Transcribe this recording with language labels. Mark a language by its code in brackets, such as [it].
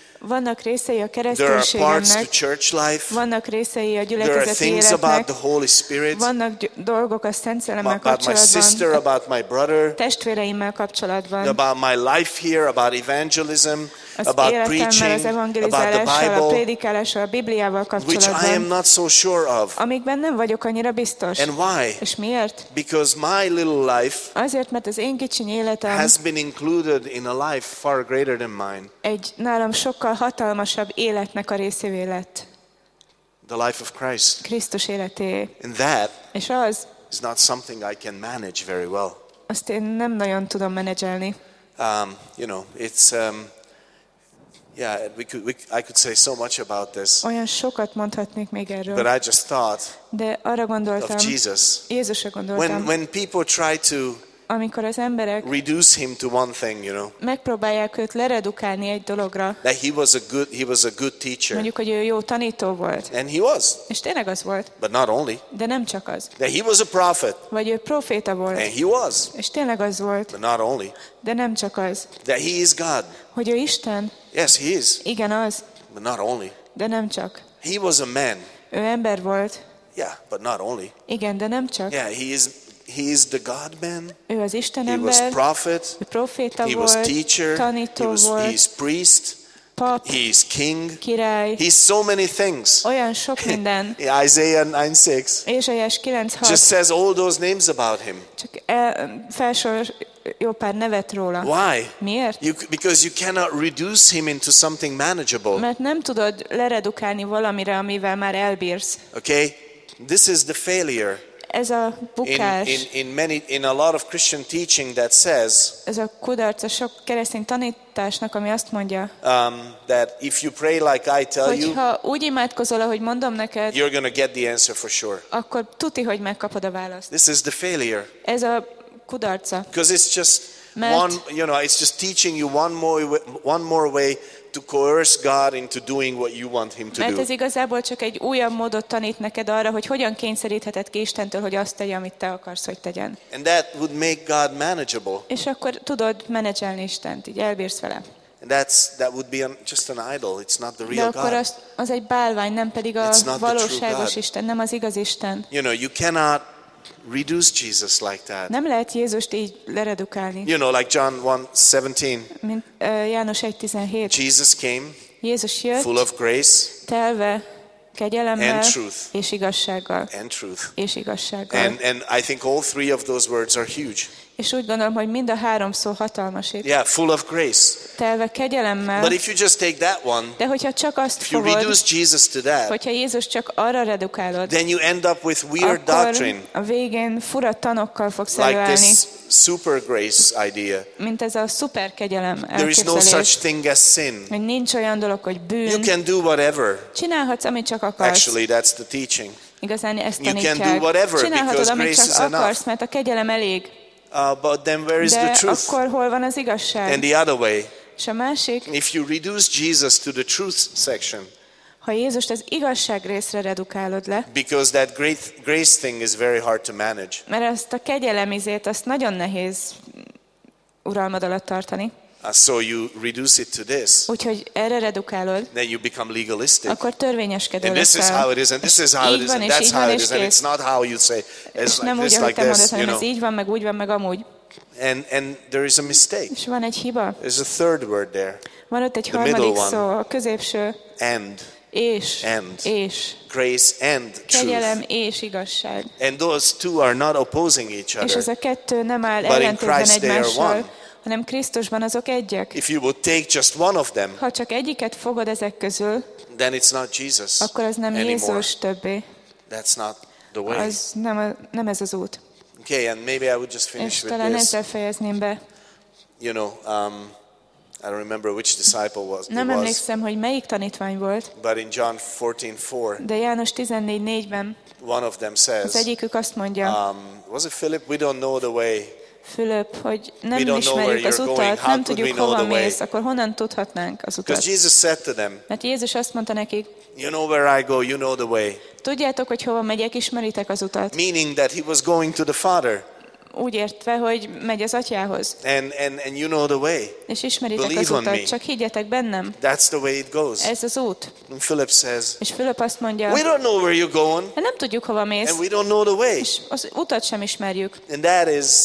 [hu] Vannak részei a kereszténységnek, vannak részei a gyülekezeti életnek, vannak dolgok a Szent Szellemmel kapcsolatban, testvéreimmel kapcsolatban, [en] about my life here, about evangelism, about preaching, about the Bible, [hu] a prédikálással, a Bibliával kapcsolatban, amikben nem vagyok annyira biztos. [en] And why? [hu] És miért? [en] Because my little life, [hu] azért, mert az én kicsi életem, [en] has been included in a life far greater than mine. [hu] Egy nálam sokkal hatalmasabb életnek a részévé lett. [en] The life of Christ. [hu] Krisztus életé. [en] And that, [hu] és az, [en] is not something I can manage very well. [hu] Azt én nem nagyon tudom menedzselni. [en] You know, it's yeah, I could say so much about this. [hu] Olyan sokat mondhatnék még erről. [en] But I just thought. [hu] De arra gondoltam. [en] Of Jesus. [hu] Jézusra gondoltam. [en] When people try to [hu] amikor az emberek [en] reduce him to one thing, you know. [hu] Megpróbálják őt leredukálni egy dologra. [en] That he was a good teacher. [hu] Mondjuk, hogy ő jó tanító volt. [en] And he was. [hu] És tényleg az volt. [en] But not only. [hu] De nem csak az. [en] That he was a prophet. [hu] Vagy ő proféta volt. [en] And he was. [hu] És tényleg az volt. [en] But not only. [hu] De nem csak az. [en] That he is God. [hu] Hogy ő Isten. [en] Yes, he is. [hu] Igen, az. [en] But not only. [hu] De nem csak. [en] He was a man. [hu] Ő ember volt. [en] Yeah, but not only. [hu] Igen, de nem csak. [en] Yeah, he is the God man. [hu] Ő az Isten ember. [en] He was prophet. [hu] Ő proféta volt. [en] He was teacher. [hu] Tanító volt. [en] He is priest. [hu] Pap. [en] He is king. [hu] Király. [en] He is so many things. [hu] Olyan sok minden. [en] Isaiah 9:6. [hu] Ézsaiás 9:6. [en] Just says all those names about him. [hu] Csak felsor jó pár nevet róla. [en] Why? [hu] Miért? [en] Because you cannot reduce him into something manageable. [hu] Mert nem tudod leredukálni valamire, amivel már elbírsz. [en] Okay? This is the failure. [hu] Ez a bukás. [en] In a lot of Christian teaching that says. [hu] Ez a kudarc a sok keresztény tanításnak, ami azt mondja. [en] That if you pray like I tell you. [hu] Hogyha úgy imádkozol, ahogy mondom neked. [en] You're gonna get the answer for sure. [hu] Akkor tuti, hogy megkapod a választ. [en] This is the failure. [hu] Ez a kudarca. [en] Because it's just one, you know, it's just teaching you one more way to coerce God into doing what you want him to do. [hu] Ez igazából csak egy újabb módot tanít neked arra, hogy hogyan kényszerítheted ki Istentől, hogy azt tegye, amit te akarsz, hogy tegyen. [en] And that would make God manageable. [hu] És akkor tudod menedzselni Istent, így elbírsz vele. [en] And that would be just an idol. It's not the real God. [hu] De akkor az egy bálvány, nem pedig a valóságos Isten, nem az igaz Isten. [en] You know, you cannot reduce Jesus like that. [hu] Nem lehet Jézust így leredukálni. [en] You know, like John 1:17. [hu] Mint János 1:17. [en] Jesus came. [hu] Jézus jött. [en] Full of grace. [hu] Telve kegyelemmel. [en] And truth. [hu] És igazsággal. [en] And truth. [hu] És igazsággal. [en] And I think all three of those words are huge. [hu] És úgy gondolom, hogy mind a három szó hatalmas. [en] Yeah, full of grace. [hu] Telve kegyelemmel. [en] But if you just take that one. [hu] De hogyha csak azt fogod. [en] If you reduce Jesus to that. [hu] Hogyha Jézus csak arra redukálod. [en] Then you end up with weird doctrine. [hu] A végén fura tanokkal fogsz előállni. [en] Like this super grace idea. [hu] Mint ez a szuper kegyelem elképzelés. [en] There is no such thing as sin. [hu] Hogy nincs olyan dolog, hogy bűn. [en] You can do whatever. [hu] Csinálhatsz, amit csak akarsz. [en] Actually, that's the teaching. [hu] Igazán ezt tanítják. [en] You can do whatever because grace is enough. [hu] Akarsz, mert a kegyelem elég. [en] But then where is [hu] de [en] the truth? [hu] Akkor hol van az igazság? [en] And the other way. [hu] És a másik. [en] If you reduce Jesus to the truth section. [hu] Ha Jézust az igazság részre redukálod le. [en] Because that great grace thing is very hard to manage. [hu] Mert azt a kegyelemizét, azt nagyon nehéz uralmad alatt tartani. [en] So you reduce it to this. [hu] Úgyhogy erre redukálod. [en] Then you become legalistic. [hu] Akkor törvényeskedő leszel. [en] And this is how it is, and this is how it is, and that's how it is, and it's not how you say. [hu] És nem úgy, ahogy te mondod, hanem ez így van, meg úgy van, meg amúgy. [en] And there is a mistake. [hu] És van egy hiba. [en] There's a third word there. [hu] Van ott egy harmadik szó, a középső. [en] And. [hu] És. [en] And. [hu] És. [en] Grace and truth. [hu] Kegyelem és igazság. [en] And those two are not opposing each other. [hu] És ez a kettő nem áll ellentétben egymással. Hanem Krisztusban azok egyek. [en] If you would take just one of them, [hu] ha csak egyiket fogod ezek közül, [en] then it's not Jesus [hu] akkor ez nem [en] anymore. [hu] Jézus többé. [en] That's not the way. [hu] Az nem ez az út. [en] Okay, and maybe I would just finish with this. [hu] És talán fejezném be. [en] You know, I don't remember which disciple was. [hu] Nem emlékszem, hogy melyik tanítvány volt. [en] But in John 14:4. [hu] De János 14:4-ben. [en] One of them says. [hu] Az egyikük azt mondja. [en] Was it Philip? We don't know the way. [hu] Fülöp, hogy nem ismerjük az utat, nem tudjuk, hova mész, akkor honnan tudhatnánk az utat? [en] Jesus said to them, [hu] mert Jézus azt mondta nekik, [en] you know where I go, you know the way. [hu] Tudjátok, hogy hova megyek, ismeritek az utat. [en] Meaning that he was going to the Father. [hu] Úgy értve, hogy megy az atyához. [en] And you know the way. [hu] És ismeritek az utat, csak higgyetek bennem. [en] That's the way it goes. [hu] Ez az út. [en] And Philip says, [hu] és Fülöp azt mondja, [en] we don't know where you're going. [hu] Nem tudjuk, hova mész. [en] And we don't know the way. [hu] És az utat sem ismerjük. [en] And that is,